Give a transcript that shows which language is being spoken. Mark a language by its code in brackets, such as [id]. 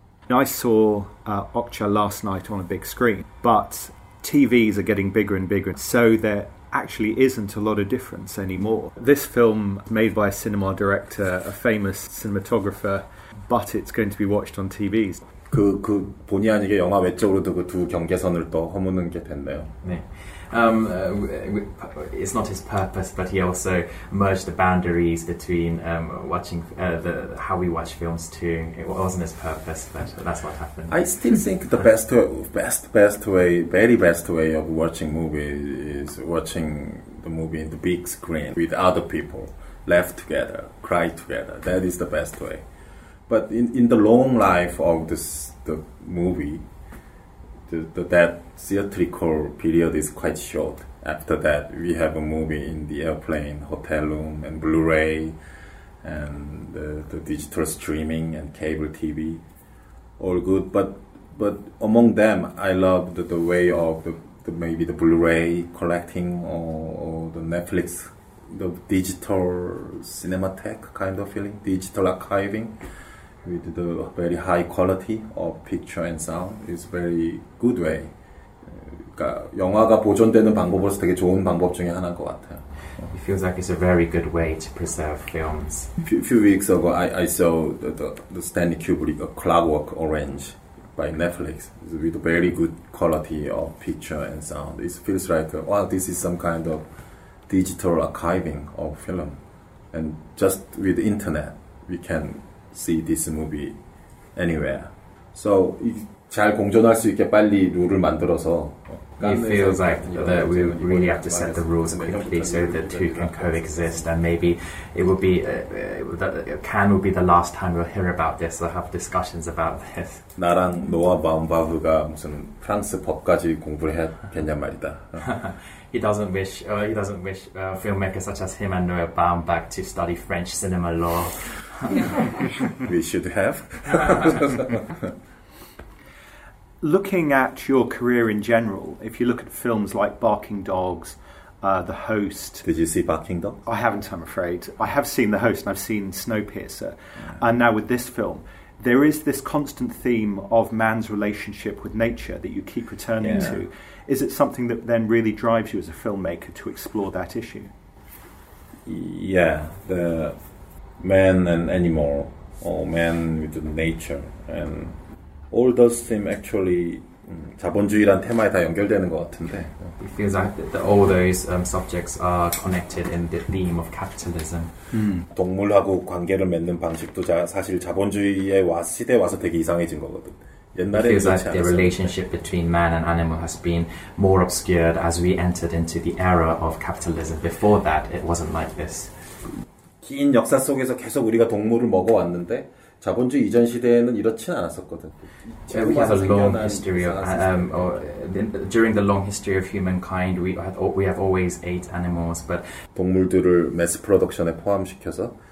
[en] I saw Okja last night on a big screen, but TVs are getting bigger and bigger, so there actually isn't a lot of difference anymore. This film, made by a cinema director, a famous cinematographer, but it's going to be watched on TVs. [ko] 그 본의 아니게 영화 외적으로도 그 두 경계선을 또 허무는 게 됐네요. 네. [en] It's not his purpose, but he also merged the boundaries between watching how we watch films too. It wasn't his purpose, but that's what happened. I still think the best way of watching movies is watching the movie in the big screen with other people, laugh together, cry together. That is the best way. But in the long life of the movie, that theatrical period is quite short. After that, we have a movie in the airplane, hotel room, and Blu-ray, and the digital streaming and cable TV, all good. But among them, I love the way of maybe the Blu-ray collecting or the Netflix, the digital cinematheque kind of feeling, digital archiving. With the very high quality of picture and sound, is very good way. [ko] 그러니까 영화가 보존되는 방법으로서 되게 좋은 방법 중에 하나인 것 같아요. [en] It feels like it's a very good way to preserve films. Few weeks ago, I saw the Stanley Kubrick Clockwork Orange by Netflix with very good quality of picture and sound. It feels like wow, this is some kind of digital archiving of film, and just with the internet, we can see this movie anywhere. [ko] So, 잘 공존할 수 있게 빨리 룰을 만들어서. [en] It feels like that we really have to set the rules quickly so the two can coexist. And maybe it will be Cannes will be the last time we'll hear about this. We'll have discussions about this. [ko] 나랑 노아 바움바흐가 무슨 프랑스 법까지 공부를 했냐 말이다. [en] He doesn't wish filmmakers such as him and Noah Baumbach to study French cinema law. We should have. Looking at your career in general, if you look at films like Barking Dogs, The Host... Did you see Barking Dogs? I haven't, I'm afraid. I have seen The Host and I've seen Snowpiercer. Yeah. And now with this film, there is this constant theme of man's relationship with nature that you keep returning to. Is it something that then really drives you as a filmmaker to explore that issue? Yeah, the man and animal, or man with the nature, and all those themes actually [ko] 자본주의란 테마에 다 연결되는 것 같은데. [en] It feels like that all those subjects are connected in the theme of capitalism. [ko] 동물하고 관계를 맺는 방식도 사실 자본주의의 시대에 와서 되게 이상해진 거거든. [en] It feels like the relationship between man and animal has been more obscured as we entered into the era of capitalism. Before that, it wasn't like this. [ko] 긴 역사 속에서 계속 우리가 동물을 먹어왔는데 자본주의 이전 시대에는 이렇지는 않았었거든. [en] Yeah, we have a long history of during the long history of humankind, we have always ate animals, but [ko] 동물들을 매스 프로덕션에 포함시켜서.